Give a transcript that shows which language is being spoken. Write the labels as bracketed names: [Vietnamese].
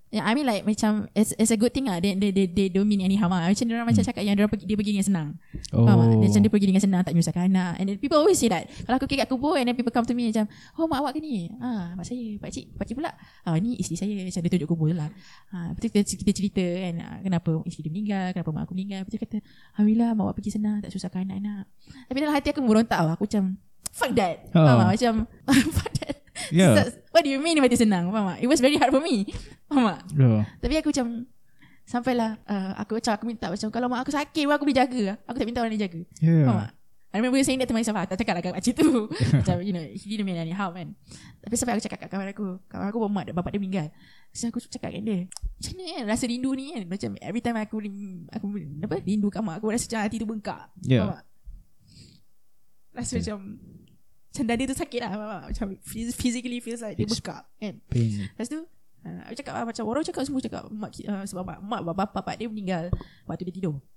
[English] Yeah, I mean like macam it's a good thing lah. They don't mean any harm lah. [Malay] Macam diorang macam cakap yang dia pergi dengan senang. Macam dia pergi dengan senang, tak menyusahkan anak. [English] And then people always say that. [Malay] Kalau aku pergi kat kubur, [English] and then people come to me [Malay] macam, oh mak awak ke ni? Mak saya, pakcik pula. Ni isteri saya. Macam dia tunjuk kubur je lah. Kita cerita kan, kenapa isteri dia meninggal, kenapa mak aku meninggal. Lepas dia kata, alhamdulillah mak awak pergi senang, tak susahkan anak-anak. Tapi dalam hati aku merontak lah. Aku macam [English] fuck that. [Malay] Macam fuck that. Yeah. [English] So, what do you mean [Malay] mati senang? Faham tak? [English] It was very hard for me. [Malay] Faham tak? [English] Yeah. [Malay] Tapi aku macam sampailah aku macam aku minta macam kalau mak aku sakit pun aku boleh jaga. Aku tak minta orang ni jaga. [English] Yeah. [Malay] Faham tak? [English] I remember saying that to myself. [Malay] Tak cakap lah kat makcik tu. [English] Macam you know, he didn't mean any harm kan. [Malay] Tapi sampai aku cakap kat kawan aku. Kawan aku pun mak bapak dia meninggal. So aku cakap kat dia, macam ni kan rasa rindu ni kan. Macam every time aku aku apa rindu kat mak aku rasa macam hati tu bengkak. Yeah. Faham tak? Rasa yeah. macam macam dada tu sakit lah. Macam [English] physically feels like [Malay] dia bengkak kan. Lepas tu aku cakap macam orang cakap semua cakap mak, sebab mak bapak dia meninggal waktu dia tidur.